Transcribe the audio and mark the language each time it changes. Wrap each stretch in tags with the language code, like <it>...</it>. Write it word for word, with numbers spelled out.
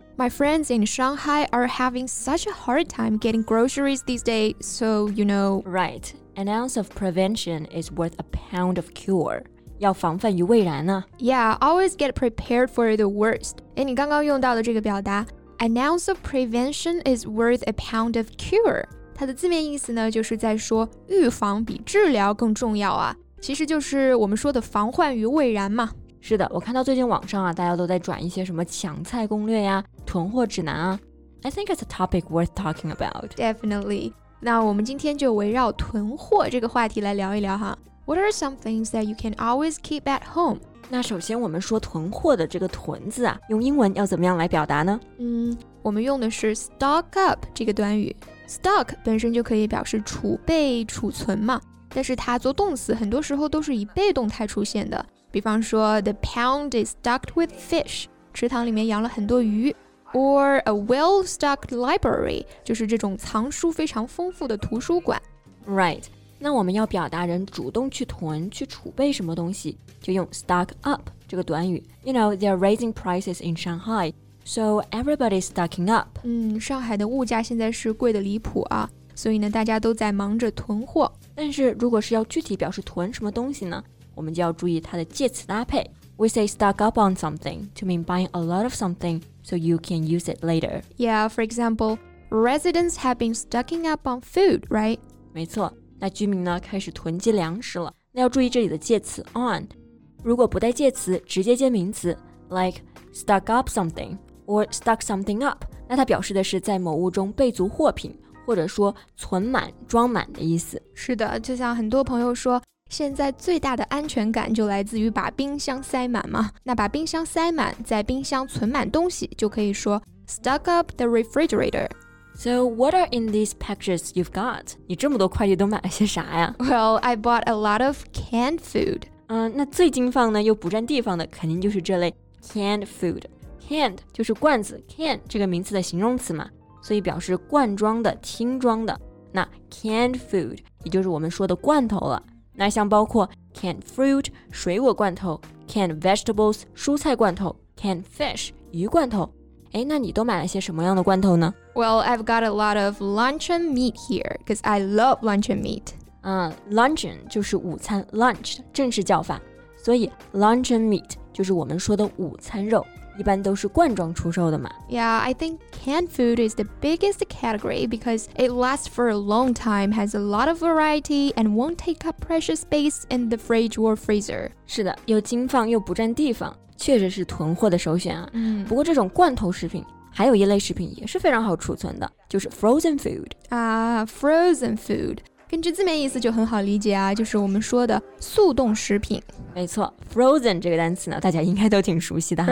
<en>My friends in Shanghai are having such a hard time getting groceries these days, so you know... Right. An ounce of prevention is worth a pound of cure.</en> <zh>要防范于未然呢。</zh> <en>Yeah, always get prepared for the worst.</en> <zh>诶，你刚刚用到的这个表达</zh> <en>An ounce of prevention is worth a pound of cure.</en> <zh>它的字面意思呢，就是在说预防比治疗更重要啊。其实就是我们说的防患于未然嘛。是的，我看到最近网上啊，大家都在转一些什么抢菜攻略呀、囤货指南啊。</zh> <en>I think it's a topic worth talking about. Definitely.</en> <zh>那我们今天就围绕囤货这个话题来聊一聊哈。</zh> <en>What are some things that you can always keep at home?</en> <zh>那首先我们说囤货的这个囤字啊，用英文要怎么样来表达呢？嗯，我们用的是 stock up 这个短语。Stock 本身就可以表示储备、储存嘛，但是它做动词很多时候都是以被动态出现的。比方说</zh> <en>the pound is stocked with fish</en> <zh>池塘里面养了很多鱼</zh> <en>or a well-stocked library</en> <zh>就是这种藏书非常丰富的图书馆 Right 那我们要表达人主动去囤去储备什么东西就用 stock up 这个短语</zh> <en>You know, they're raising prices in Shanghai So everybody's stocking up</en> <zh>嗯，上海的物价现在是贵得离谱啊所以呢，大家都在忙着囤货但是如果是要具体表示囤什么东西呢我们就要注意它的介词搭配</zh> <en>We say stock up on something to mean buying a lot of something so you can use it later. Yeah, for example, residents have been stocking up on food, right?</en> <zh>没错，那居民呢开始囤积粮食了。那要注意这里的介词 on， 如果不带介词，直接接名词</zh> <en>like stock up something or stock something up，</en> <zh>那它表示的是在某物中备足货品，或者说存满、装满的意思。是的，就像很多朋友说。现在最大的安全感就来自于把冰箱塞满嘛。那把冰箱塞满，在冰箱存满东西，就可以说 stock up the refrigerator.</zh> <en>So what are in these packages you've got?</en> <zh>你这么多快递都买了些啥呀？</zh> <en>Well, I bought a lot of canned food.</en> <zh>嗯、uh, ，那最精放呢又不占地方的，肯定就是这类 canned food. Canned 就是罐子 ，can 这个名词的形容词嘛，所以表示罐装的、听装的。那 canned food 也就是我们说的罐头了。那像包括 canned fruit 水果罐头 canned vegetables 蔬菜罐头 canned fish 鱼罐头诶那你都买了些什么样的罐头呢</zh> <en>Well, I've got a lot of luncheon meat here because I love luncheon meat</en> <zh>嗯、uh, luncheon 就是午餐 lunch 正式叫法所以 luncheon meat 就是我们说的午餐肉一般都是罐装出售的嘛</zh> <en>Yeah, I think canned food is the biggest category because it lasts for a long time, has a lot of variety, and won't take up precious space in the fridge or freezer.</en> <zh>是的，又精放又不占地方，确实是囤货的首选啊。嗯，不过这种罐头食品，还有一类食品也是非常好储存的，就是 frozen food.</zh> <en>啊、uh, frozen food.</en> <zh>根据字面意思就很好理解啊，就是我们说的速冻食品。没错 ，frozen 这个单词呢，大家应该都挺熟悉的哈。</zh>